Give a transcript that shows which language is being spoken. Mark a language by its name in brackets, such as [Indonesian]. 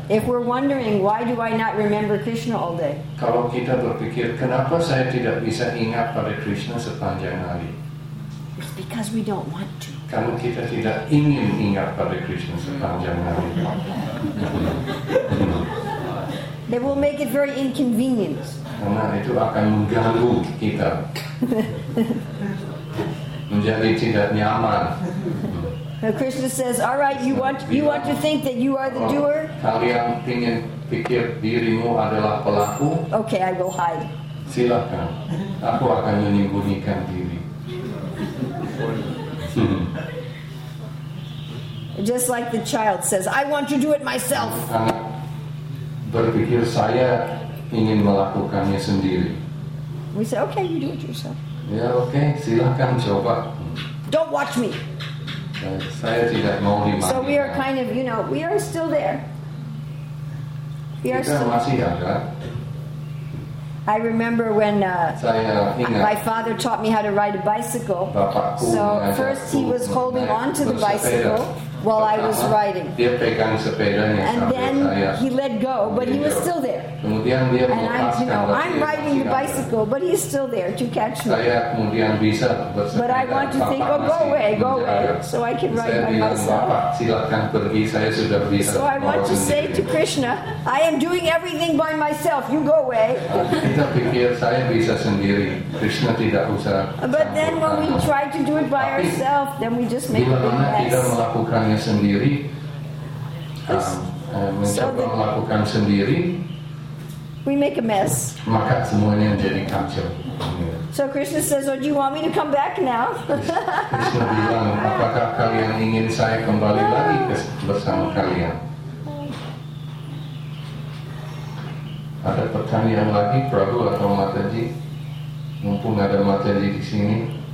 [English] If we're wondering, why do I not remember Krishna all day? [Indonesian] Kalau kita berpikir, kenapa saya tidak bisa ingat pada Krishna sepanjang hari? [English] It's because we don't want to. [Indonesian] Kalau kita tidak ingin ingat pada Krishna sepanjang hari. [English] They will make it very inconvenient. [Indonesian] Karena itu akan mengganggu kita. Menjadi tidak nyaman. [English] Now Krishna says, "All right, you want to think that you are the doer." [Indonesian] Kalian ingin pikir dirimu adalah pelaku? [English] Okay, I will hide. [Indonesian] Silakan, aku akan menyembunyikan diri. [English] Just like the child says, "I want to do it myself." [Indonesian] Anak berpikir saya ingin melakukannya sendiri. [English] We say, "Okay, you do it yourself." [Indonesian] Ya, okay, silakan coba. [English] Don't watch me. [Indonesian] Saya tidak mau dimaki. [English] So we are kind of, you know, we are still there. We are still [Indonesian] masih ada. [English] I remember when my father taught me how to ride a bicycle. So first he was holding on to the bicycle while I was riding. [Indonesian] Dia pegang sepedanya. [English] And then he let go, but he was still there. [Indonesian] Kemudian dia [English] and I'm riding the bicycle, but he's still there to catch me. [Indonesian] Saya kemudian bisa bersepeda. [English] But I want to think, oh, go away, so I can ride [Indonesian] saya [English] by [Indonesian] bilang, [English] myself. [Indonesian] Bapak, silakan pergi, saya sudah bisa. [English] So I want to say to Krishna, I am doing everything by myself, you go away. [Indonesian] Kita pikir saya bisa sendiri, Krishna tidak usah. [English] But then when we try to do it by ourselves, then we just make a mess. [Indonesian] Kita melakukannya sendiri, mencoba melakukan sendiri. [English] We make a mess. [Indonesian] Maka semuanya jadi kacau. [English] So Krishna says, "Oh, do you want me to come back now?" [Indonesian] Krishna bilang, "Apakah kalian ingin saya kembali lagi bersama kalian?" Ada pertanyaan lagi, Prabhu atau Mataji? Mumpung ada Mataji di sini.